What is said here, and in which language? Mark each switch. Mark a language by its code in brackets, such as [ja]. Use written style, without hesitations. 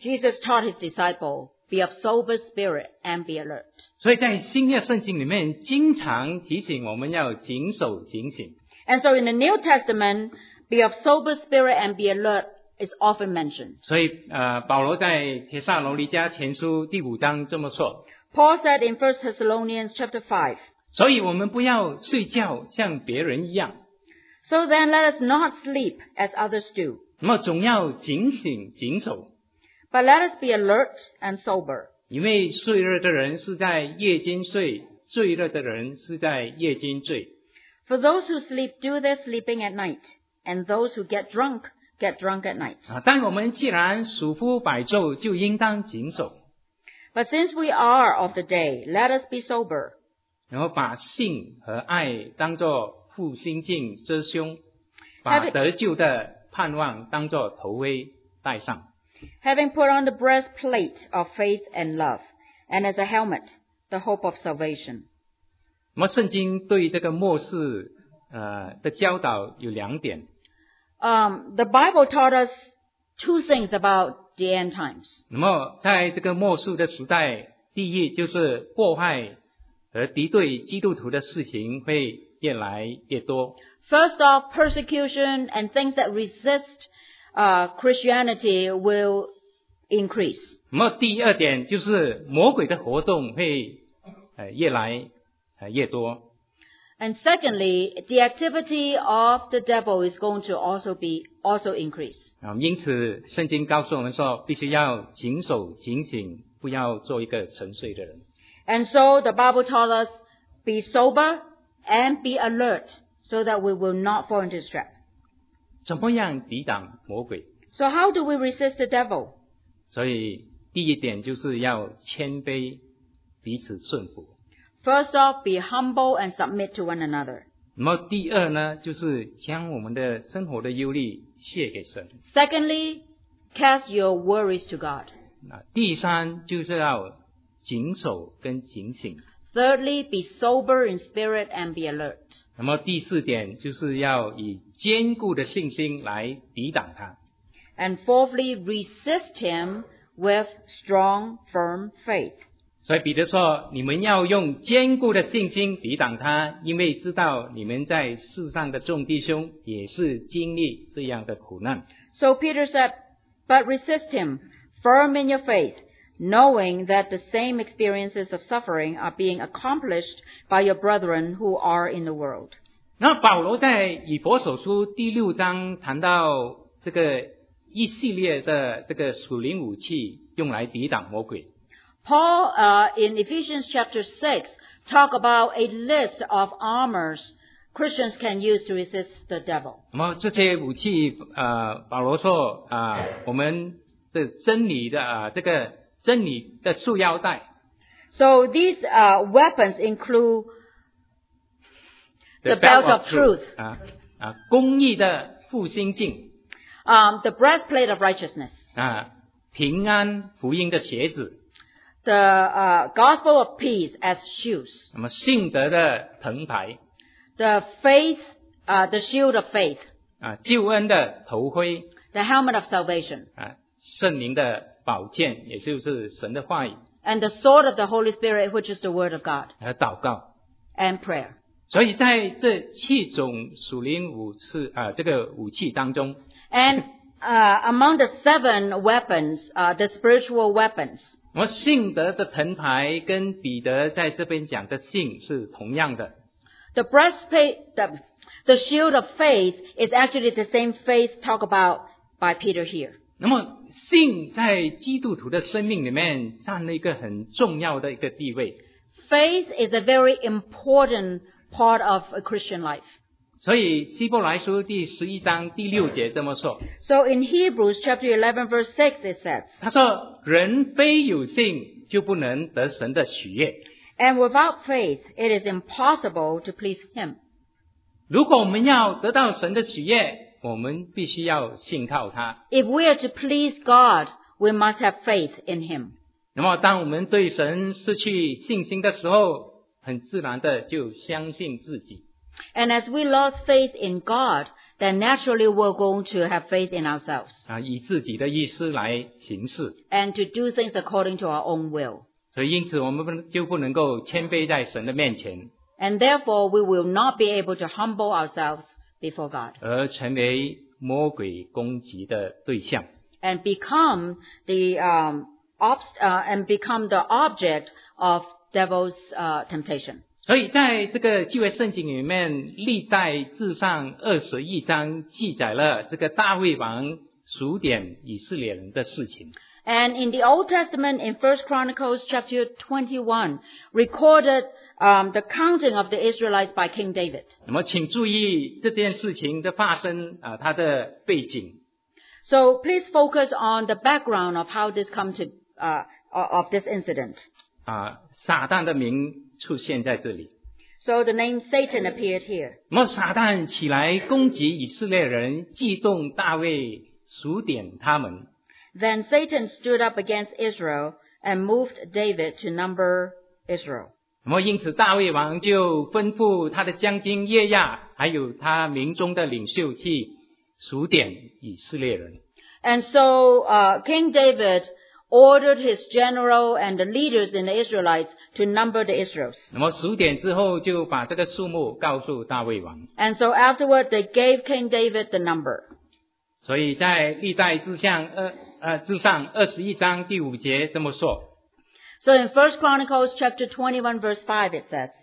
[en] Jesus taught his disciple be of sober spirit and be alert. [zh] 所以在新约圣经里面，经常提醒我们要谨守警醒。 [en] And so in the New Testament, be of sober spirit and be alert. Is often mentioned. [zh] 所以保罗在帖撒罗尼迦前书第五章这么说。 [en] Paul said in 1 Thessalonians chapter 5. [zh] 所以我们不要睡觉像别人一样。 [en] So then let us not sleep as others do. [zh] 那么总要警醒警守。 [en] But let us be alert and sober. [zh] 因为睡日的人是在夜间睡，醉日的人是在夜间醉。 [en] For those who sleep do their sleeping at night, and those who get drunk,Get drunk at night. [zh] 但我们既然属乎白昼，就应当谨守。 [en] But since we are of the day, let us be sober. [zh] 然后把信和爱当作护心镜遮胸，把得救的盼望当作头盔戴上。 [en] Having put on the breastplate of faith and love, and as a helmet, the hope of salvation. [zh] 那么圣经对这个末世的教导有两点。 [en] The Bible taught us two things about the end times. [zh] 那么在这个末世的时代，第一就是破坏和敌对基督徒的事情会越来越多。 [en] First off, persecution and things that resist Christianity will increase. [zh] 那么第二点就是魔鬼的活动会越来越多。 [en] And secondly, the activity of the devil is going to also increase. [zh] 因此圣经告诉我们说必须要谨守警醒，不要做一个沉睡的人。 [en] And so the Bible taught us be sober and be alert so that we will not fall into his trap. [zh] 怎么样抵挡魔鬼？ [en] So how do we resist the devil? [zh] 所以第一点就是要谦卑，彼此顺服。 [en] First off, be humble and submit to one another. [zh] 那么第二呢，就是将我们的生活的忧虑卸给神。 [en] Secondly, cast your worries to God. [zh] 第三就是要谨守跟警醒。 [en] Thirdly, be sober in spirit and be alert. [zh] 那么第四点就是要以坚固的信心来抵挡他。 [en] And fourthly, resist him with strong, firm faith. [zh] 所以彼得说你们要用坚固的信心抵挡他，因为知道你们在世上的众弟兄也是经历这样的苦难。 [en] So Peter said, but resist him, firm in your faith, knowing that the same experiences of suffering are being accomplished by your brethren who are in the world. [zh] 那保罗在以弗所书第六章谈到这个一系列的这个属灵武器用来抵挡魔鬼。 [en] Paul, in Ephesians chapter 6, talk about a list of armors Christians can use to resist the devil. [zh] 那么这些武器，保罗说，我们的真理的，这个真理的束腰带。 [en] So these, weapons include the belt of truth. [zh] 公义的复心镜。 [en] The breastplate of righteousness. [zh] 平安福音的鞋子。 [en] The gospel of peace as shoes. [zh] 那么信德的藤牌。 [en] The faith, the shield of faith. [zh] 救恩的头盔。 [en] The helmet of salvation. [zh] 圣灵的宝剑，也就是神的话语。 [en] And the sword of the Holy Spirit, which is the word of God. [zh] 和祷告。 [en] And prayer. [zh] 所以在这七种属灵武器，这个武器当中。 [en] And, among the seven weapons, the spiritual weapons. [zh] 我信德的藤牌跟彼得在这边讲的信是同样的。 [en] The breastplate, the shield of faith is actually the same faith talked about by Peter here. [zh] 那么信在基督徒的生命里面占了一个很重要的一个地位。 [en] Faith is a very important part of a Christian life. [zh] 所以希伯来书第十一章第六节这么说。 [en] So in Hebrews chapter 11 verse 6 it says, [zh] 他说人非有信就不能得神的喜悦。 [en] And without faith, it is impossible to please him. [zh] 如果我们要得到神的喜悦，我们必须要信靠他。 [en] If we are to please God, we must have faith in him. [zh] 那么当我们对神失去信心的时候，很自然的就相信自己。 [en] And as we lost faith in God, then naturally we're going to have faith in ourselves. [zh] 以自己的意思来行事。 [en] And to do things according to our own will. [zh] 所以因此我们就不能够谦卑在神的面前。 [en] And therefore we will not be able to humble ourselves before God. [zh] 而成为魔鬼攻击的对象。 [en] And become the, and become the object of devil's, temptation. [zh] 所以在这个旧约圣经里面，历代志上二十一章记载了这个大卫王数点以色列人的事情。 [en] And in the Old Testament, in 1 Chronicles chapter 21, recorded, the counting of the Israelites by King David. [zh] 那么请注意这件事情的发生，它的背景。 [en] So please focus on the background of how this come to, of this incident. [zh] 撒旦的名出现在这里。 [en] So the name Satan appeared here. [zh] 那么撒旦起来攻击以色列人，激动大卫数点他们。 [en] Then Satan stood up against Israel and moved David to number Israel. [zh] 那么因此大卫王就吩咐他的将军耶亚，还有他民中的领袖去数点以色列人。 [en] And so, King David ordered his general and the leaders in the Israelites to number the Israelites. [zh] 那么数点之后就把这个数目告诉大卫王。 [en] And so afterward they gave King David the number. [zh] 所以在历代志上二十一章第五节这么说。 [en] So in 1 Chronicles chapter 21 verse 5 it says,